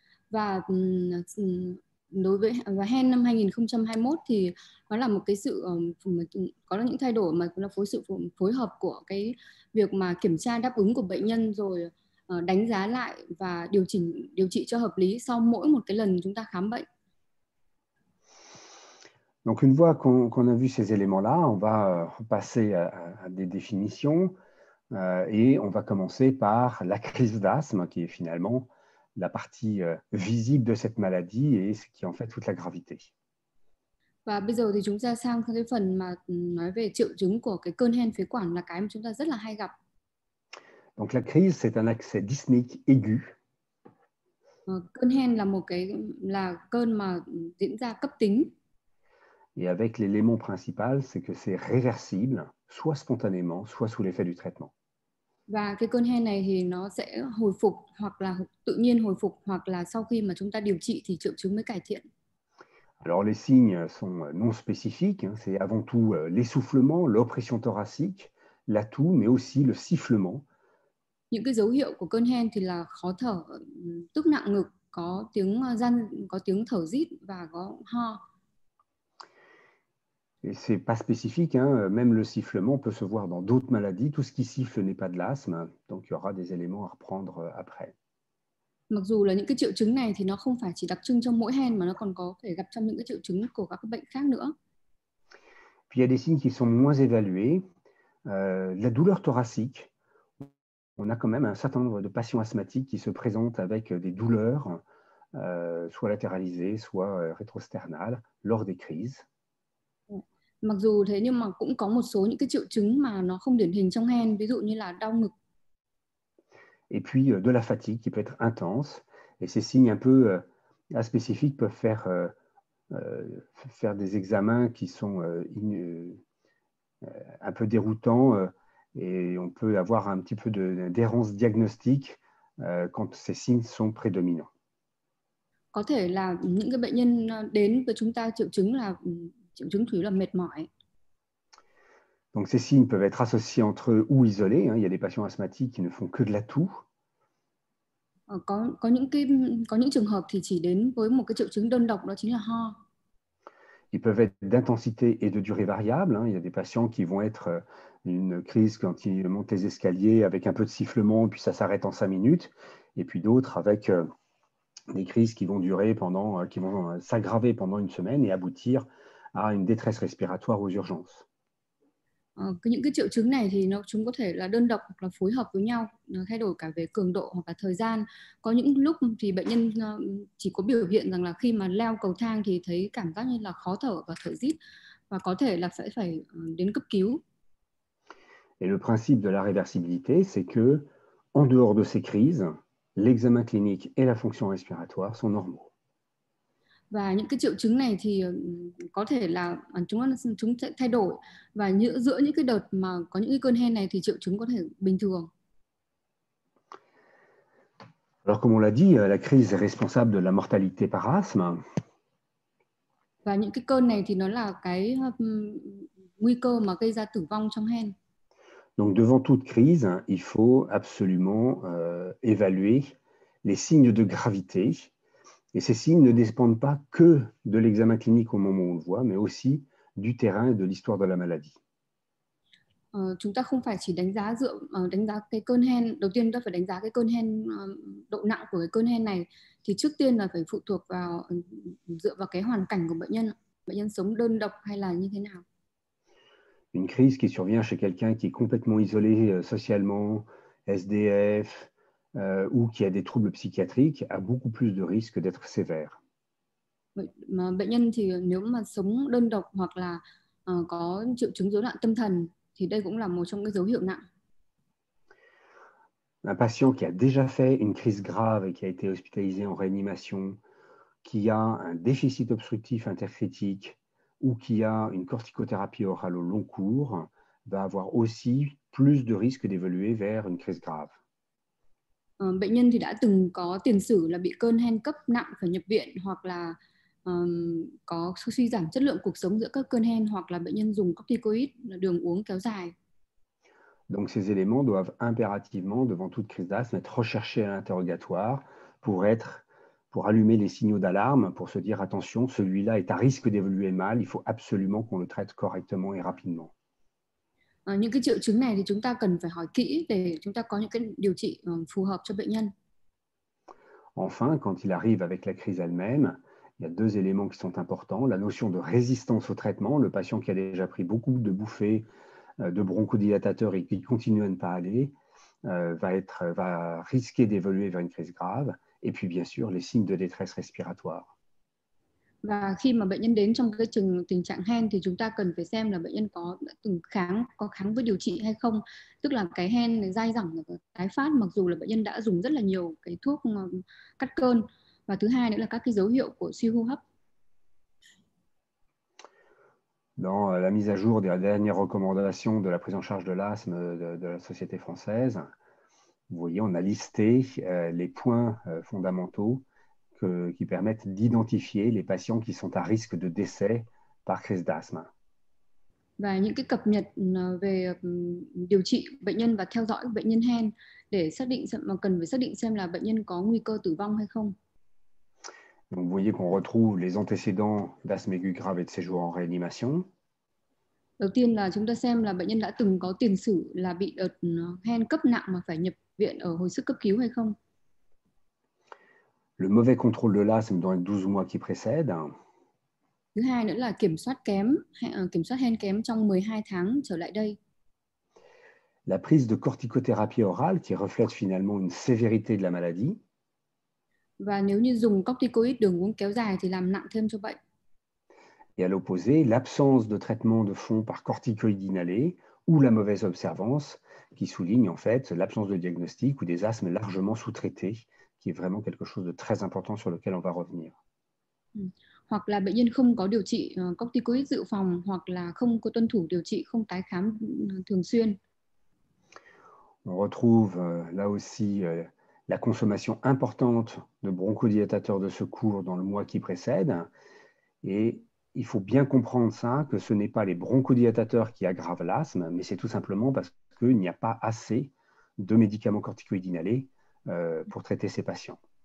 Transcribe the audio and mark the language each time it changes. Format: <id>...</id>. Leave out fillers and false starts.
<vi>Và đối với và hen năm 2021 thì nó là một cái sự có là những thay đổi mà nó phối sự phối hợp của cái việc mà kiểm tra đáp ứng của bệnh nhân rồi đánh giá lại và điều trị cho hợp lý sau mỗi một cái lần chúng ta khám bệnh.</vi> <fr>Donc une fois qu'on a vu ces éléments-là, on va passer à des définitions et on va commencer par la crise d'asthme, qui est finalement la partie visible de cette maladie et ce qui en fait toute la gravité.</fr> <vi>Và bây giờ thì chúng ta sang cái phần mà nói về triệu chứng của cái cơn hen phế quản là cái mà chúng ta rất là hay gặp.</vi> <fr>Donc la crise, c'est un accès dyspnée aigu.</fr> <vi>Cơn hen là một cái là cơn mà diễn ra cấp tính.</vi> <fr>Et avec l'élément principal, c'est que c'est réversible, soit spontanément, soit sous l'effet du traitement.</fr> <vi>Và cái cơn hen này thì nó sẽ hồi phục hoặc là tự nhiên hồi phục hoặc là sau khi mà chúng ta điều trị thì triệu chứng mới cải thiện.</vi> <fr>Alors les signes sont non spécifiques, hein. C'est avant tout l'essoufflement, l'oppression thoracique, la toux, mais aussi le sifflement.</fr> <vi>Những cái dấu hiệu của cơn hen thì là khó thở, tức nặng ngực, có tiếng thở rít và có ho.</vi> <fr>Et ce n'est pas spécifique, hein. Même le sifflement peut se voir dans d'autres maladies. Tout ce qui siffle n'est pas de l'asthme, donc il y aura des éléments à reprendre après.</fr> <vi>Mặc dù là những cái triệu chứng này thì nó không phải chỉ đặc trưng cho mỗi hen mà nó còn có thể gặp trong những cái triệu chứng của các bệnh khác nữa.</vi> <fr>Il y a des signes qui sont moins évalués. La douleur thoracique, on a quand même un certain nombre de patients asthmatiques qui se présentent avec des douleurs, soit latéralisées, soit rétrosternales, lors des crises.</fr> <vi>Mặc dù thế nhưng mà cũng có một số những cái triệu chứng mà nó không điển hình trong hen, ví dụ như là đau ngực.</vi> <fr>Et puis de la fatigue qui peut être intense. Et ces signes un peu aspécifiques peuvent faire des examens qui sont un peu déroutants. Et on peut avoir un petit peu d'errance diagnostique quand ces signes sont prédominants.</fr> <vi>Có thể là những cái bệnh nhân đến với chúng ta triệu chứng chủ yếu là mệt mỏi.</vi> <fr>Donc ces signes peuvent être associés entre eux ou isolés. Hein. Il y a des patients asthmatiques qui ne font que de la toux.</fr> <vi>Có những trường hợp thì chỉ đến với một cái triệu chứng đơn độc, đó chính là ho.</vi> <fr>Ils peuvent être d'intensité et de durée variable. Hein. Il y a des patients qui vont être une crise quand ils montent les escaliers avec un peu de sifflement, puis ça s'arrête en 5 minutes. Et puis d'autres avec des crises qui vont s'aggraver pendant une semaine et aboutir à une détresse respiratoire aux urgences.</fr> <vi>Những cái triệu chứng này thì chúng có thể là đơn độc hoặc là phối hợp với nhau, nó thay đổi cả về cường độ hoặc là thời gian. Có những lúc thì bệnh nhân chỉ có biểu hiện rằng là khi mà leo cầu thang thì thấy cảm giác như là khó thở và thở rít và có thể là sẽ phải đến cấp cứu.</vi> <fr>Et le principe de la réversibilité, c'est que, en dehors de ces crises, l'examen clinique et la fonction respiratoire sont normaux.</fr> <vi>Và những cái triệu chứng này thì có thể là chúng sẽ thay đổi, và giữa những cái đợt mà có những cái cơn hen này thì triệu chứng có thể bình thường.</vi> <fr>Alors, comme on l'a dit, la crise est responsable de la mortalité par asthme.</fr> <vi>Và những cái cơn này thì nó là cái nguy cơ mà gây ra tử vong trong hen.</vi> <fr>Donc, devant toute crise, il faut absolument évaluer les signes de gravité. Et ces signes ne dépendent pas que de l'examen clinique au moment où on le voit, mais aussi du terrain et de l'histoire de la maladie.</fr> <vi>Chúng ta không phải chỉ đánh giá cái cơn hen. Đầu tiên ta phải đánh giá cái cơn hen, độ nặng của cái cơn hen này, thì trước tiên là phải phụ thuộc vào dựa vào cái hoàn cảnh của bệnh nhân sống đơn độc hay là như thế nào.</vi> <fr>Une crise qui survient chez quelqu'un qui est complètement isolé socialement, SDF, ou qui a des troubles psychiatriques a beaucoup plus de risques d'être sévère.</fr> <vi>Mà bệnh nhân thì nếu mà sống đơn độc hoặc là có triệu chứng rối loạn tâm thần thì đây cũng là một trong cái dấu hiệu nặng.</vi> <fr>Un patient qui a déjà fait une crise grave et qui a été hospitalisé en réanimation, qui a un déficit obstructif intercritique, ou qui a une corticothérapie orale au long cours, va avoir aussi plus de risques d'évoluer vers une crise grave.</fr> <vi>Bệnh nhân thì đã từng có tiền sử là bị cơn hen cấp nặng phải nhập viện, hoặc là có suy giảm chất lượng cuộc sống giữa các cơn hen, hoặc là bệnh nhân dùng corticoid là đường uống kéo dài.</vi> <fr>Donc ces éléments doivent impérativement, devant toute crise d'asthme, être recherchés à l'interrogatoire pour allumer les signaux d'alarme, pour se dire attention, celui-là est à risque d'évoluer mal, il faut absolument qu'on le traite correctement et rapidement.</fr> <vi>Những cái triệu chứng này thì chúng ta cần phải hỏi kỹ để chúng ta có những cái điều trị phù hợp cho bệnh nhân.</vi> <fr>Enfin, quand il arrive avec la crise elle-même, il y a deux éléments qui sont importants, la notion de résistance au traitement, le patient qui a déjà pris beaucoup de bouffées de bronchodilatateurs et qui continue à ne pas aller, va risquer d'évoluer vers une crise grave. Et puis bien sûr, les signes de détresse respiratoire.</fr> <vi>Và khi mà bệnh nhân đến trong cái tình trạng hen thì chúng ta cần phải xem là bệnh nhân có đã từng có kháng với điều trị hay không, tức là cái hen này dai dẳng tái phát mặc dù là bệnh nhân đã dùng rất là nhiều cái thuốc cắt cơn, và thứ hai nữa là các cái dấu hiệu của suy hô hấp.</vi> <fr>Dans la mise à jour des dernières recommandations de la prise en charge de l'asthme de la Société française, vous voyez, on a listé les points fondamentaux qui permettent d'identifier les patients qui sont à risque de décès par crise d'asthme.</fr> <vi>Và những cái cập nhật về điều trị bệnh nhân và theo dõi bệnh nhân hen để xác định xem, mà cần phải xác định xem là bệnh nhân có nguy cơ tử vong hay không.</vi> <fr>Vous voyez qu'on retrouve les antécédents d'asthme aigu grave et de séjour en réanimation.</fr> <vi>Đầu tiên là chúng ta xem là bệnh nhân đã từng có tiền sử là bị đợt hen cấp nặng mà phải nhập viện ở hồi sức cấp cứu hay không.</vi> <fr>Le mauvais contrôle de l'asthme dans les 12 mois qui précèdent.</fr> <vi>Thứ hai nữa là kiểm soát hen kém trong 12 tháng trở lại đây.</vi> <fr>La prise de corticothérapie orale qui reflète finalement une sévérité de la maladie.</fr> <vi>Và nếu như dùng corticoïdes đường uống kéo dài thì làm nặng thêm cho bệnh.</vi> <fr>Et à l'opposé, l'absence de traitement de fond par corticoïdes inhalés ou la mauvaise observance qui souligne en fait l'absence de diagnostic ou des asthmes largement sous-traités. Qui est vraiment quelque chose de très important sur lequel on va revenir.</fr> <vi>Hoặc là bệnh nhân không có điều trị corticoid dự phòng, hoặc là không có tuân thủ điều trị, không tái khám thường xuyên.</vi> <fr>On retrouve là aussi la consommation importante de bronchodilatateurs de secours dans le mois qui précède. Et il faut bien comprendre ça, que ce n'est pas les bronchodilatateurs qui aggravent l'asthme, mais c'est tout simplement parce qu'il n'y a pas assez de médicaments corticoïdes inhalés. Pour traiter ces patients.</fr>